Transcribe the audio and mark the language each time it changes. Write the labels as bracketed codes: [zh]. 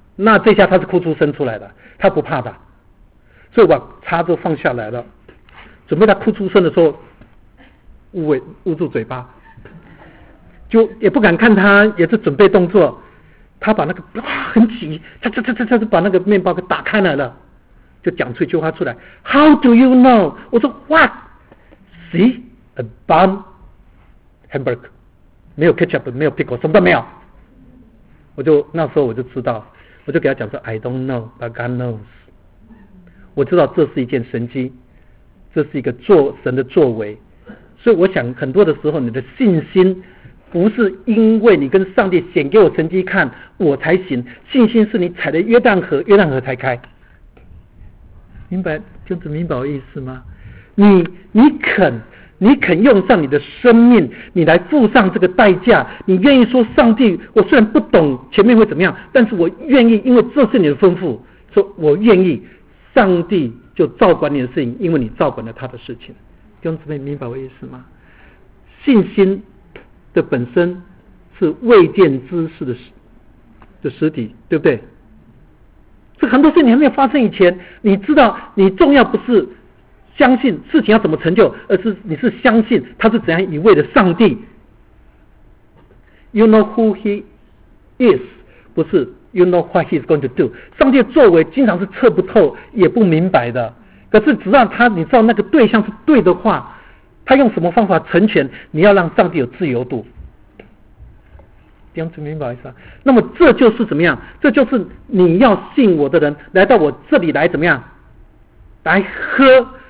[zh] 那这下他是哭出声出来的，他不怕的，所以把叉子放下来了，准备他哭出声的时候，捂住嘴巴，就也不敢看他，也是准备动作。他把那个哇很急，他就把那个面包给打开来了，就讲出一句话出来 ： [en] How do you know？ [zh] 我说 [en] What？ See？ A bun hamburger， [zh] 没有 ketchup， 没有 pickle， 什么都没有。我就那时候我就知道，我就给他讲说 ， [en] I don't know， but God knows。 [zh] 我知道这是一件神迹，这是一个做神的作为。所以我想，很多的时候，你的信心不是因为你跟上帝显给我神迹看我才行，信心是你踩的约旦河，约旦河才开。明白，就是明白我意思吗？你肯用上你的生命，你来付上这个代价，你愿意说上帝，我虽然不懂前面会怎么样，但是我愿意，因为这是你的吩咐，说我愿意，上帝就照管你的事情，因为你照管了他的事情。弟兄姊妹，明白我意思吗？信心的本身是未见之事的实体，对不对？这很多事情还没有发生以前，你知道你重要不是相信事情要怎么成就，而是你是相信他是怎样一位的上帝。 [en] You know who he is， [zh] 不是 [en] You know what he is going to do。 [zh] 上帝的作为经常是测不透，也不明白的。可是只让他，你知道那个对象是对的话，他用什么方法成全，你要让上帝有自由度。听明白意思啊？那么这就是怎么样？这就是你要信我的人来到我这里来怎么样？来喝。